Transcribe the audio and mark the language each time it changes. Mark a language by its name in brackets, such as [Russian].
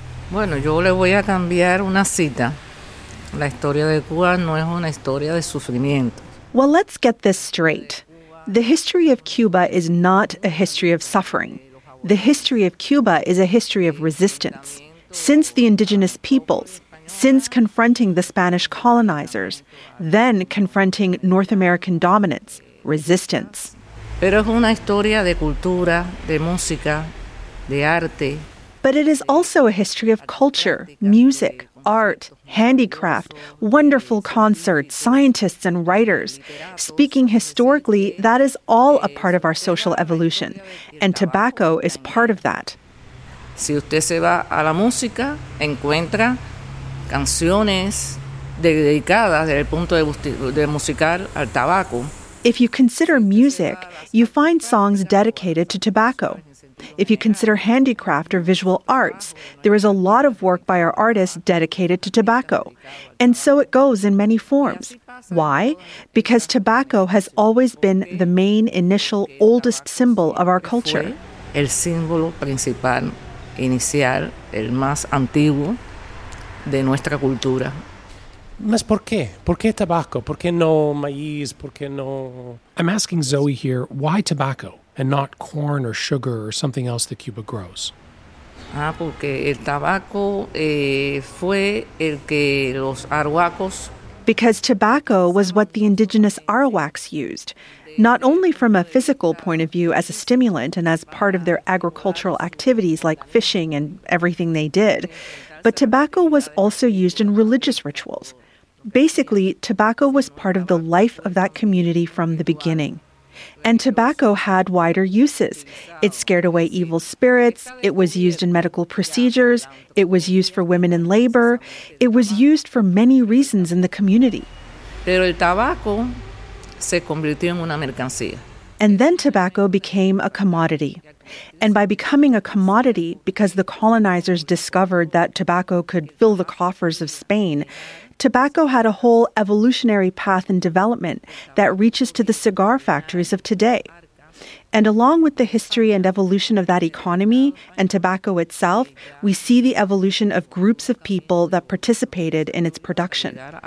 [Spanish] Bueno, yo le voy a cambiar una cita. La historia de Cuba no es una historia de sufrimiento. [English] Well, let's get this straight. The history of Cuba is not a history of suffering. The history of Cuba is a history of resistance. Since the indigenous peoples, since confronting the Spanish colonizers, then confronting North American dominance, resistance. [Spanish] Pero es una historia de cultura, de música, de arte. [English] But it is also a history of culture, music, art, handicraft, wonderful concerts, scientists and writers. Speaking historically, that is all a part of our social evolution, and tobacco is part of that. [Spanish] Si usted se va a la música, encuentra canciones dedicadas desde el punto de musical al tabaco. [English] If you consider music, you find songs dedicated to tobacco. If you consider handicraft or visual arts, there is a lot of work by our artists dedicated to tobacco. And so it goes in many forms. Why? Because tobacco has always been the main, initial, oldest symbol of our culture. [Spanish] El símbolo principal, inicial, el más antiguo de nuestra cultura. Mas por qué? Por qué tabaco? Por qué no maíz? Por qué no... [English] I'm asking Zoe here, why tobacco? and not corn or sugar or something else that Cuba grows. [Spanish] Ah, porque el tabaco fue el que los arhuacos... [English] Because tobacco was what the indigenous Arawaks used, not only from a physical point of view as a stimulant and as part of their agricultural activities like fishing and everything they did, but tobacco was also used in religious rituals. Basically, tobacco was part of the life of that community from the beginning. And tobacco had wider uses. It scared away evil spirits, it was used in medical procedures, it was used for women in labor, it was used for many reasons in the community. [Spanish] Pero el tabaco se convirtió en una mercancía. [English] And then tobacco became a commodity. And by becoming a commodity, because the colonizers discovered that tobacco could fill the coffers of Spain, tobacco had a whole evolutionary path in development that reaches to the cigar factories of today. And along with the history and evolution of that economy and tobacco itself, we see the evolution of groups of people that participated in its production.